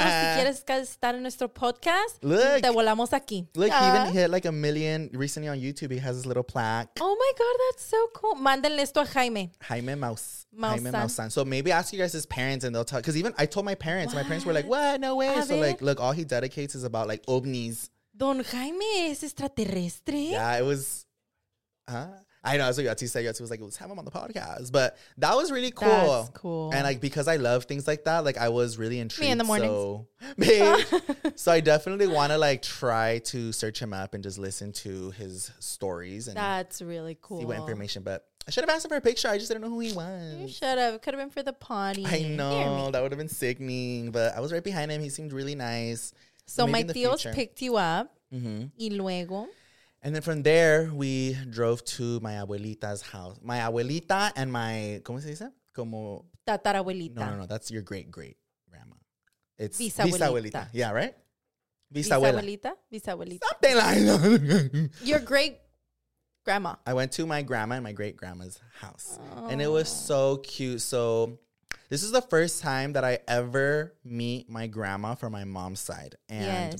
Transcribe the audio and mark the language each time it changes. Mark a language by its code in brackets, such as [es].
[es] Si quieres estar en nuestro podcast, [en] look, [es] te volamos aquí. [en] Look, he even hit like a million recently on YouTube. He has his little plaque. Oh my God, that's so cool. [es] Mándenle esto a Jaime. [en] Jaime Maussan. Jaime Maussan. So maybe ask you guys his parents and they'll tell. Because even I told my parents. What? My parents were like, what? No way. So like, look, all he dedicates is about like ovnis. [es] Don Jaime es extraterrestre. [en] Yeah, it was. Huh? I know, that's what Yati said. Yati was like, let's have him on the podcast. But that was really cool. That's cool. And like, because I love things like that, like I was really intrigued. Me in the mornings. So, babe, so I definitely want to like try to search him up and just listen to his stories. And that's really cool. See what information. But I should have asked him for a picture. I just didn't know who he was. You should have. It could have been for the potty. I know. That would have been sickening. But I was right behind him. He seemed really nice. So my tios picked you up. Mm-hmm. [es] Y luego. [en] And then from there, we drove to my abuelita's house. My abuelita and my, [es] ¿cómo se dice? Como tatarabuelita. [en] No, that's your great-great, grandma. It's bisabuelita. Yeah, right? Bisabuelita. Something like that. Your great grandma. I went to my grandma and my great grandma's house. Oh. And it was so cute. So this is the first time that I ever meet my grandma from my mom's side. And yes.